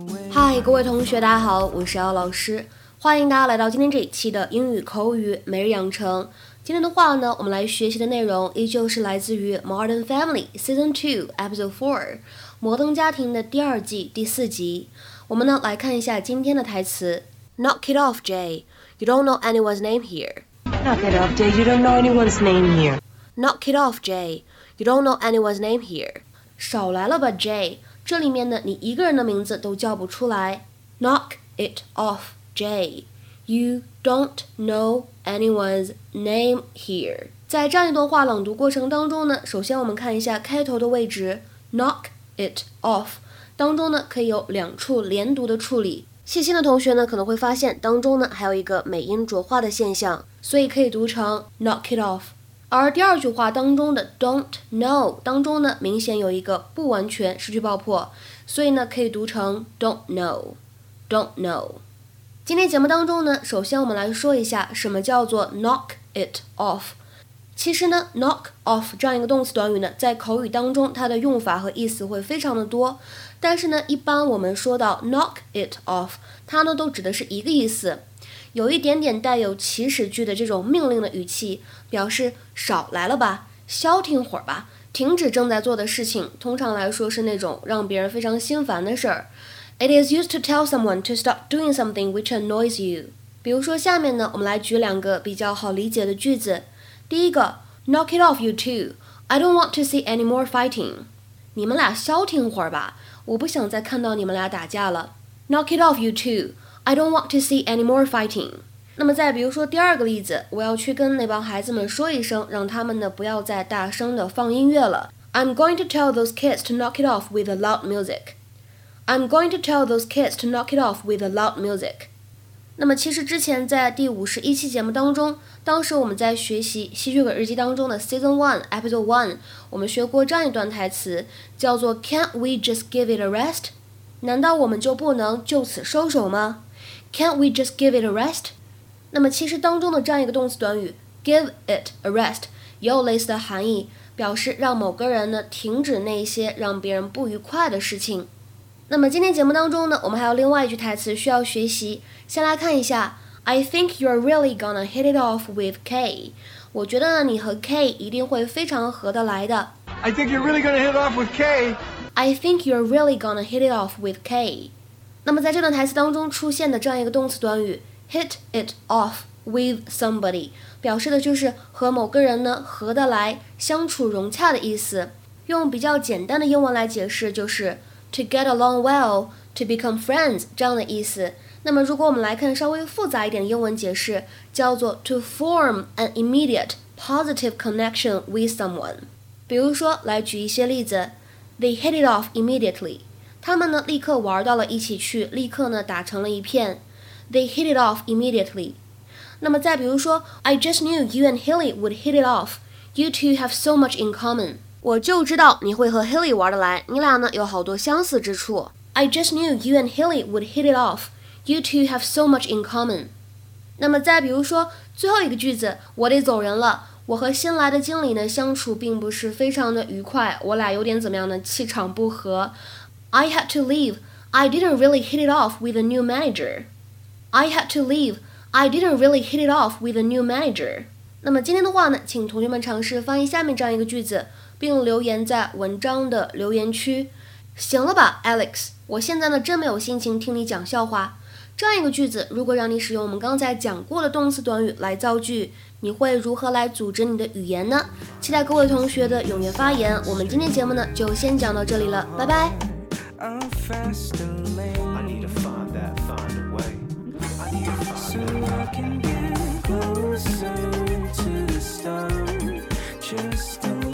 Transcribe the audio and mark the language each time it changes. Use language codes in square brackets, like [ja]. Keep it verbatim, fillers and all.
[zh] 嗨，各位同学，大家好，我是姚老师，欢迎大家来到今天这一期的英语口语每日养成。今天的话呢，我们来学习的内容依旧是来自于 Modern Family Season two Episode four 摩登家庭的第二季第四集。我们呢来看一下今天的台词 ： [en] Knock it off, Jay. You don't know anyone's name here. Knock it off, Jay. You don't know anyone's name here. Knock it off, Jay. You don't know anyone's name here. [zh] 少来了吧 ，Jay。这里面呢，你一个人的名字都叫不出来。 [en] Knock it off, Jay. You don't know anyone's name here. [zh] 在这样一段话朗读过程当中呢，首先我们看一下开头的位置 ，knock it off 当中呢可以有两处连读的处理。细心的同学呢可能会发现当中呢还有一个美音浊化的现象，所以可以读成 knock it off。而第二句话当中的 don't know 当中呢明显有一个不完全失去爆破，所以呢可以读成 don't know don't know。今天节目当中呢，首先我们来说一下什么叫做 knock it off。其实呢 knock off 这样一个动词短语呢，在口语当中它的用法和意思会非常的多，但是呢一般我们说到 knock it off 它呢都指的是一个意思，有一点点带有祈使句的这种命令的语气，表示少来了吧，消停会儿吧，停止正在做的事情，通常来说是那种让别人非常心烦的事儿。 [en] It is used to tell someone to stop doing something which annoys you。 [zh] 比如说下面呢，我们来举两个比较好理解的句子。第一个 [en] Knock it off, you two. I don't want to see any more fighting. [zh] 你们俩消停会儿吧，我不想再看到你们俩打架了。 [en] Knock it off, you two. I don't want to see any more fighting. [zh] 那么再比如说第二个例子，我要去跟那帮孩子们说一声，让他们呢不要再大声的放音乐了。 [en] I'm going to tell those kids to knock it off with the loud music. I'm going to tell those kids to knock it off with the loud music. [zh] 那么其实之前在第五十一期节目当中，当时我们在学习吸血鬼日记当中的 Season one Episode one， 我们学过这样一段台词，叫做 [en] Can't we just give it a rest? [zh] 难道我们就不能就此收手吗？ [en] Can't we just give it a rest? [zh] 那么其实当中的这样一个动词短语 give it a rest 也有类似的含义，表示让某个人呢停止那些让别人不愉快的事情。那么今天节目当中呢，我们还有另外一句台词需要学习，先来看一下 [en] I think you're really gonna hit it off with K. [zh] 我觉得呢你和 K 一定会非常合得来的。 [en] I think you're really gonna hit it off with K. I think you're really gonna hit it off with K. [zh] 那么在这段台词当中出现的这样一个动词短语 hit it off with somebody 表示的就是和某个人呢合得来，相处融洽的意思。用比较简单的英文来解释就是 [en] to get along well, to become friends [zh] 这样的意思。那么如果我们来看稍微复杂一点的英文解释，叫做 [en] to form an immediate positive connection with someone。 [zh] 比如说来举一些例子 [en] They hit it off immediately. [zh] 他们呢立刻玩到了一起去，立刻呢打成了一片。 [en] They hit it off immediately. [zh] 那么再比如说 [en] I just knew you and Hilly would hit it off. You two have so much in common. [zh] 我就知道你会和 Hilly 玩得来，你俩呢有好多相似之处。 [en] I just knew you and Hilly would hit it off. You two have so much in common. [zh] 那么再比如说最后一个句子，我得走人了，我和新来的经理呢相处并不是非常的愉快，我俩有点怎么样呢，气场不合。 [en] I had to leave. I didn't really hit it off with a new manager. I had to leave. I didn't really hit it off with a new manager. [zh] 那么今天的话呢，请同学们尝试翻译下面这样一个句子，并留言在文章的留言区。行了吧 Alex， 我现在呢真没有心情听你讲笑话。这样一个句子如果让你使用我们刚才讲过的动词短语来造句，你会如何来组织你的语言呢？期待各位同学的踊跃发言。我们今天节目呢就先讲到这里了，拜拜。 [en] I'm fast and lame. I need to find that, find a way. I need to find so that. So I can get closer to the sun. Just